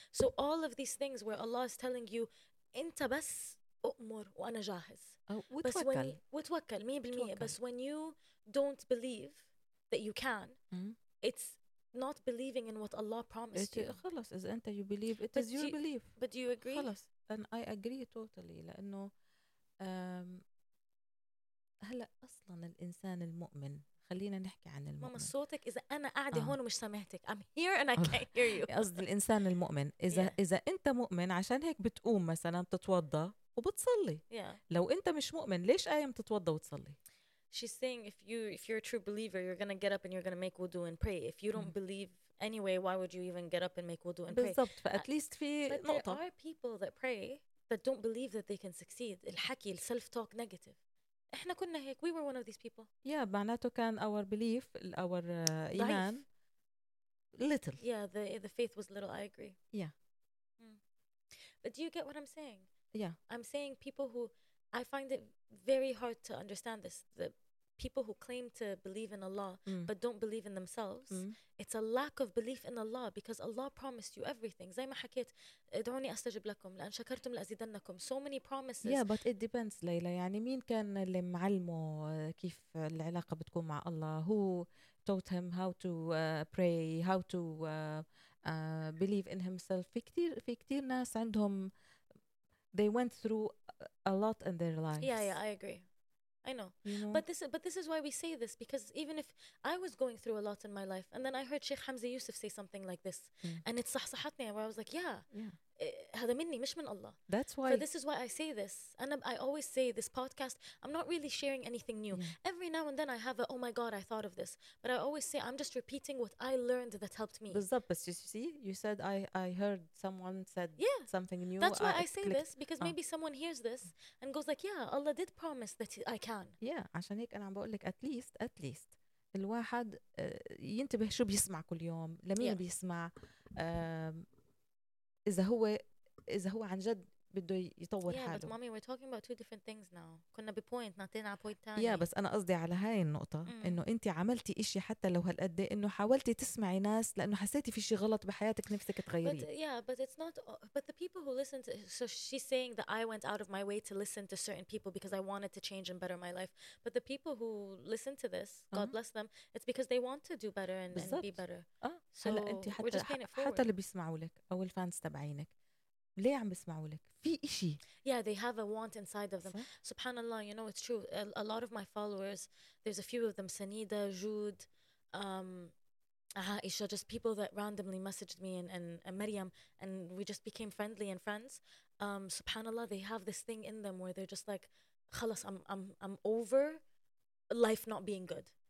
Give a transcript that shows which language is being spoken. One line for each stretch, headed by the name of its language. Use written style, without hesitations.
English: So all of these things where Allah is telling you
Arabic: أنت بس أؤمر وأنا جاهز. وتوكل.
English: بس when you don't believe that you can, it's not believing in what Allah promised you.
Arabic: خلص إذا أنت
English: you believe it is your belief. But do you agree?
Arabic: خلص.
English: And I agree totally
Arabic: لأنه هلا اصلا الانسان المؤمن خلينا نحكي عن المؤمن ماما صوتك اذا انا قاعده هون ومش سامعتك
English: I'm here and I can't hear you
Arabic: قصدي الانسان المؤمن اذا اذا انت مؤمن عشان هيك بتقوم مثلا بتتوضى وبتصلي لو انت مش مؤمن ليش قايم تتوضى وتصلي
English: She's saying if you're a true believer you're going to get up and you're going to make wudu and pray if you don't believe anyway why would you even get up and make wudu and pray
Arabic: بالضبط ف
English: at least
Arabic: في نقطه
English: there are people that pray that don't believe that they can succeed
Arabic: الحكي السلف توك نيجاتيف إحنا كنا هيك.
English: We were one of these people. Yeah,
Arabic: معناته كان
English: our belief, our إيمان little. Yeah, the faith was little. I agree. Yeah. Hmm. But do you get what I'm saying? Yeah. I'm saying people who, I find it very hard to understand this, the people who claim to believe in Allah but don't believe in themselves, it's a lack of belief in Allah because Allah promised you everything.
Arabic: زي ما حكيت, ادعوني أستجب لكم لأن شكرتم لأزيدنكم.
English: So many promises. Yeah, but it depends, Layla.
Arabic: يعني مين كان اللي معلمه كيف العلاقة بتكون مع الله?
English: Who taught him how to pray, how to believe in himself?
Arabic: في كتير ناس عندهم,
English: they went through a lot in their lives. Yeah, I agree. I know. You know. But this is why we say this, because even if I was going through a lot in my life and then I heard Sheikh Hamza Yusuf say something like this and it صحصحتني where I was like, yeah,
Arabic: هذا مني مش من الله.
English: That's why. So this is why I say this. And I always say this podcast, I'm not really sharing anything new. Yeah. Every now and then I have a, oh my God, I thought of this. But I always say, I'm just repeating what I learned that helped me.
Arabic: بالضبط.
English: You see, you said I heard someone said something new. That's why I say this, because maybe someone hears this and goes like, yeah, Allah did promise that I can.
Arabic: Yeah, عشان هيك أنا عم بقول لك
English: at least.
Arabic: الواحد ينتبه شو بيسمع كل يوم. لمين بيسمع. إذا هو عن جد بده يطور حاله.
English: Yeah, but mommy, we're talking about two different things now.
Arabic: كنا ببوينت, نعطينا على بوينت تاني. Yeah, بس أنا قصدي على هاي النقطة. إنه أنت عملتي إشي حتى لو هالقد, إنه حاولتي تسمعي ناس لأنه حسيتي في شي غلط بحياتك نفسك تغيري.
English: But the people who listen to, so she's saying that I went out of my way to listen to certain people because I wanted to change and better my life. But the people who listen to this, God bless them, it's because they want to do better and be better. So we're just paying it forward.
Arabic: حتى اللي بيسمعوا لك أو الفانس تبعينك, ليه عم بسمعوا لك؟ في إشي.
English: Yeah, they have a want inside of them. Subhanallah, you know, it's true. A lot of my followers, there's a few of them, Sanida, Jood, Aisha, just people that randomly messaged me and Maryam, and we just became friendly and friends. Subhanallah, they have this thing in them where they're just like, خلص, I'm over life not being good.